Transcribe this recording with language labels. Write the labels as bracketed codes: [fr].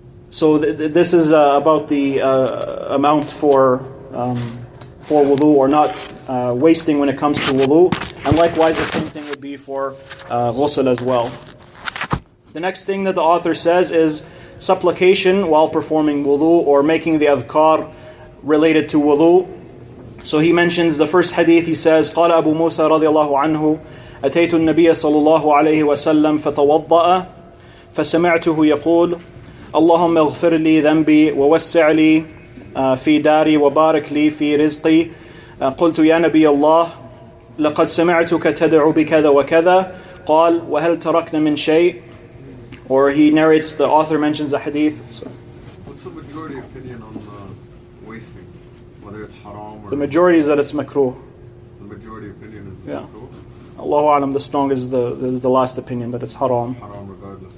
[en] So this is about the amount for wudu, or not wasting when it comes to wudu. And likewise, the same thing would be for ghusl as well. The next thing that the author says is supplication while performing wudu, or making the adhkar related to wudu. So he mentions the first hadith. He says, [ar] قال أبو موسى رضي الله عنه أتيت النبي صلى الله عليه وسلم فتوضأ فسمعته يقول اللهم اغفر لي ذنبي ووسع لي في داري وبارك لي في رزقي قلت يا نبي الله لقد سمعتك تدعو بكذا وكذا قال وهل تركنا من شيء. [en] Or he narrates, the author mentions a hadith. What's the majority opinion on wasting, whether it's haram or the majority is that it's makruh. The majority opinion is makruh. Allahu alam, the strongest is the last opinion that it's haram. Haram regardless.